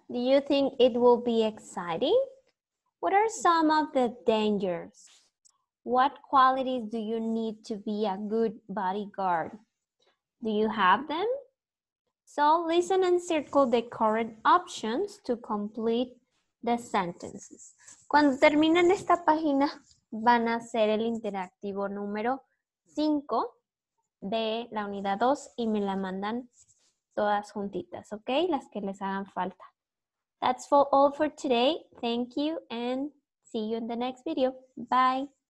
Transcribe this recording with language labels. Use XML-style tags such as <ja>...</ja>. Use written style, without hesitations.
<en>Do you think it will be exciting? What are some of the dangers? What qualities do you need to be a good bodyguard? Do you have them? So listen and circle the correct options to complete the sentences.</en> <es>Cuando terminen esta página, van a hacer el interactivo número 5 de la unidad 2 y me la mandan todas juntitas, ¿ok? Las que les hagan falta.</es> <en>That's all for today. Thank you and see you in the next video. Bye.</en>